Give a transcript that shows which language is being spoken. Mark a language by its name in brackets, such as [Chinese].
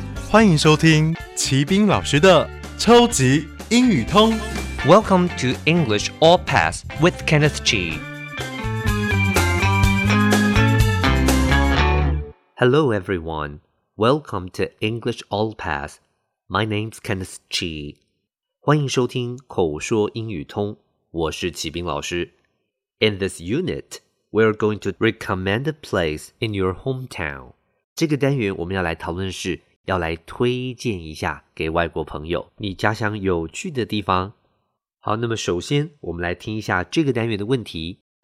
[Chinese] 欢迎收听齐斌老师的超级英语通。 [English] Welcome to English All Pass with Kenneth G. Hello, everyone. Welcome to English All Pass. My name's Kenneth G. [Chinese] 欢迎收听口说英语通。我是齐斌老师。 [English] In this unit, we're going to recommend a place in your hometown. [Chinese] 这个单元我们要来讨论是要来推荐一下给外国朋友你家乡有趣的地方。好，那么首先我们来听一下这个单元的问题。